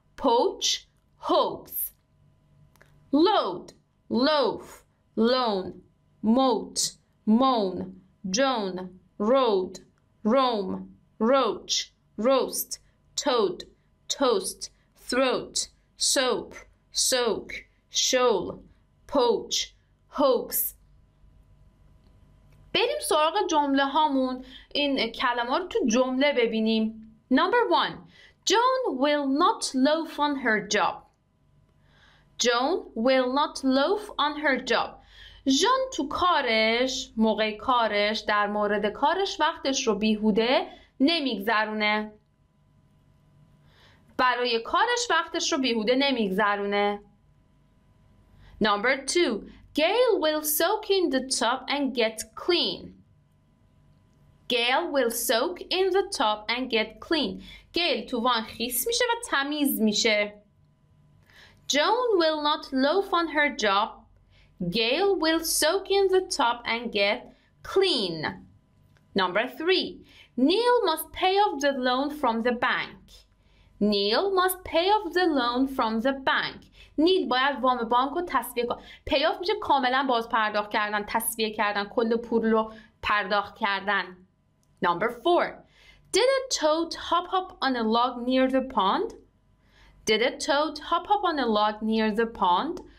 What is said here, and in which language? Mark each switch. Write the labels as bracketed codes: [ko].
[en] Poach, hoax. Load, loaf, loan, moat, moan, joan, road, roam, roach, roast, toad, toast, throat, soap, soak, shoal, poach, hoax. [fa] بریم سراغ جمله هامون، این کلمه رو تو جمله ببینیم. [en] Number one, Joan will not loaf on her job. Joan will not loaf on her job. [fa] جان تو کارش، موقع کارش، در مورد کارش وقتش رو بیهوده نمیگذرونه. برای کارش وقتش رو بیهوده نمیگذرونه. [en] Number two, Gail will soak in the tub and get clean. Gail will soak in the tub and get clean. [fa] Gail تو وان خیس میشه و تمیز میشه. [en] Joan will not loaf on her job. Gail will soak in the tub and get clean. Number three, Neil must pay off the loan from the bank. Neil must pay off the loan from the bank. [fa] Neil باید وام بانک رو تسویه کنه. Pay off میشه کاملا باز پرداخت کردن، تسویه کردن، کل پول رو پرداخت کردن. [en] Number four, did a toad hop up on a log near the pond? Did a toad hop up on a log near the pond?